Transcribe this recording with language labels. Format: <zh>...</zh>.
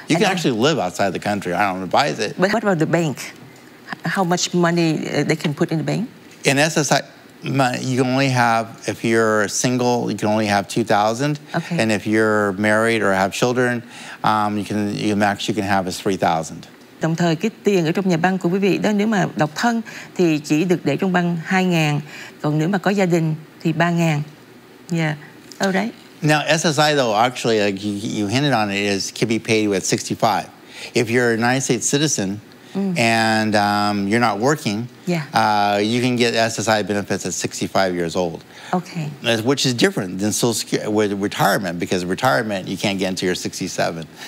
<en>You can actually live outside the country. I don't advise it. But what about the bank? How much money they can put in the bank? In SSI, you only have, if you're single, you can only have $2,000. Okay. And if you're married or have children, you can have is $3,000.</en> <vi>Đồng thời cái tiền ở trong nhà băng của quý vị đó nếu mà độc thân thì chỉ được để trong băng 2,000, còn nếu mà có gia đình thì 3,000.</vi> <en>Yeah. All right. Now SSI though actually like you hinted on it is can be paid with 65. If you're a United States citizen and you're not working, you can get SSI benefits at 65 years old. Okay. Which is different than Social Security with retirement, because retirement you can't get until you're 67.</en>